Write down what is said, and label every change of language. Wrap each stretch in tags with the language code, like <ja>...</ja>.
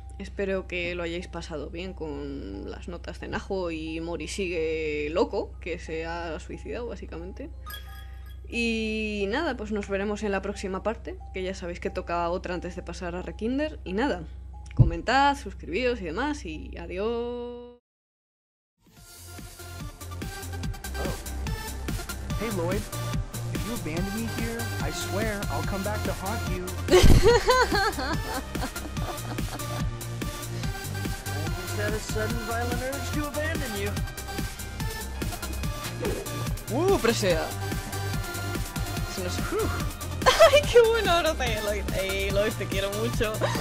<es>Espero que lo hayáis pasado bien con las notas de Naho y Morishige loco, que se ha suicidado básicamente. Y nada, pues nos veremos en la próxima parte, que ya sabéis que toca otra antes de pasar a Rekinder. Y nada, comentad, suscribíos y demás, y adiós.</es> <en>Hey Lloyd, if you abandon me here, I swear I'll come back to haunt you. Had a sudden violent urge to abandon you.</en> <es>Presea. Se nos... ¡Ay, qué bueno! Aloy, te quiero mucho.</es>